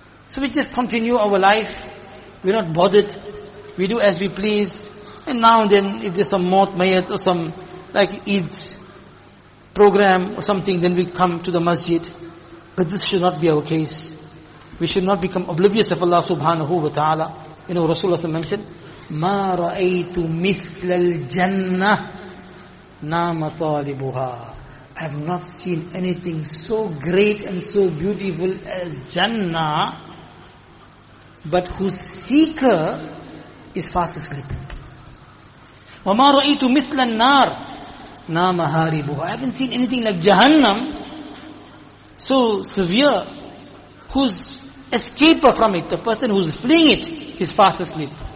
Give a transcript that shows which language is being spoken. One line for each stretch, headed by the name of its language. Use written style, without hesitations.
English: So we just continue our life. We're not bothered. We do as we please. And now and then, if there's some maut mayat or some like Eid program or something, then we come to the masjid. But this should not be our case. We should not become oblivious of Allah subhanahu wa ta'ala. You know, Rasulullah mentioned,
Arabic: مَا رَأَيْتُ مِثْلَ الْجَنَّةِ نَامَ طَالِبُهَا.
English: I have not seen anything so great and so beautiful as Jannah, but whose seeker is fast asleep.
Arabic: وَمَا رَأَيْتُ مِثْلَ النَّارِ نَامَ هَارِبُهَا.
English: I haven't seen anything like Jahannam, so severe, whose escaper from it, the person who's fleeing it, is fast asleep.